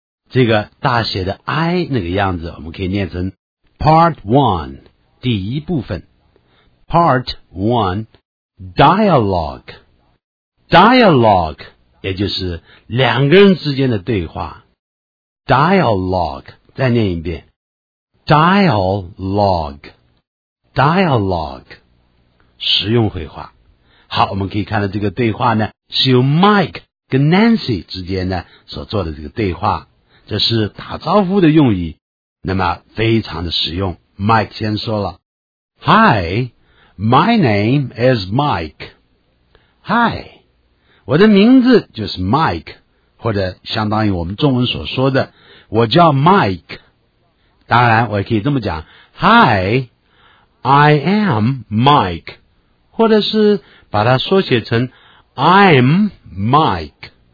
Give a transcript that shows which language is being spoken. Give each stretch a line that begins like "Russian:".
Chinese: 这个大写的 I 那个样子，我们可以念成 Part 1 第一部分 Part 1 Dialogue Dialogue 也就是两个人之间的对话 Dialogue 再念一遍 Dialogue Dialogue 实用会话。好，我们可以看到这个对话呢是由 Mike跟 Nancy 之间呢所做的这个对话，这是打招呼的用意，那么非常的实用。
English: Mike
Chinese: 先说了
English: Hi, my name is Mike.
Chinese: Hi, 我的名字就是 Mike, 或者相当于我们中文所说的我叫 Mike。当然我也可以这么讲
English: Hi, I am Mike,
Chinese: 或者是把它缩写成
English: I'm Mike。